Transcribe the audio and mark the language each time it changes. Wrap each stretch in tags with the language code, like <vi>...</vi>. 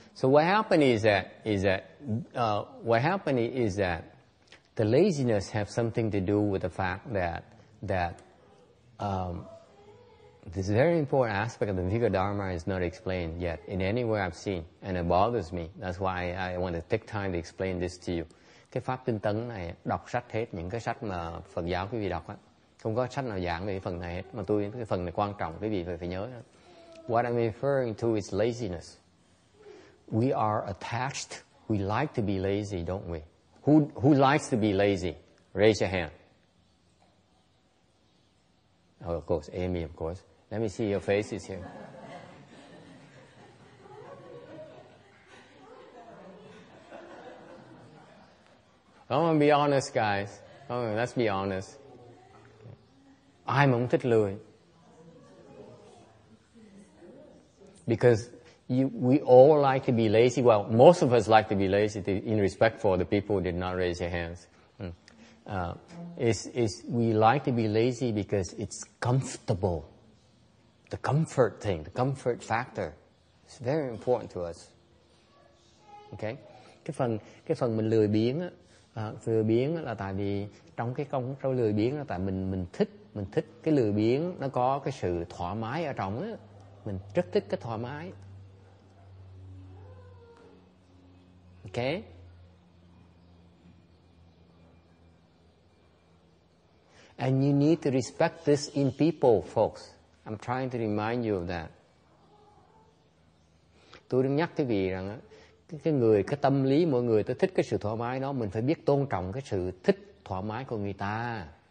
<en>So what happened is that the laziness have something to do with the fact that this very important aspect of the Vigor Dharma is not explained yet in anywhere I've seen, and it bothers me. That's why I want to take time to explain this to you.</en> <vi>Cái pháp tinh tấn này, đọc sách hết những cái sách mà Phật giáo quý vị đọc á. Không có sách nào giảng về phần này hết, mà tôi cái phần này quan trọng, quý vị phải nhớ.</vi> <en>What I'm referring to is laziness. We are attached. We like to be lazy, don't we? Who likes to be lazy? Raise your hand. Oh, of course, Amy, of course. Let me see your faces here. Come on, be honest, guys. Come on, let's be honest.</en> <vi>Ai mà không thích lười.</vi> <en>Because we all like to be lazy. Well, most of us like to be lazy in respect for the people who did not raise their hands. We like to be lazy because it's comfortable. The comfort thing, the comfort factor. It's very important to us. Okay?</en> <vi>Cái phần mình lười biếng á, Lười biếng là tại vì trong cái công sâu lười biếng là tại mình thích cái lười biếng, nó có cái sự thoải mái ở trong á, mình rất thích cái thoải mái.</vi> <en>Ok. And you need to respect this in people, folks. I'm trying to remind you of that.</en> <vi>Tôi đang nhắc quý vị rằng cái người, cái tâm lý mọi người tôi thích cái sự thoải mái đó, mình phải biết tôn trọng cái sự thích thoải mái của người ta.</vi>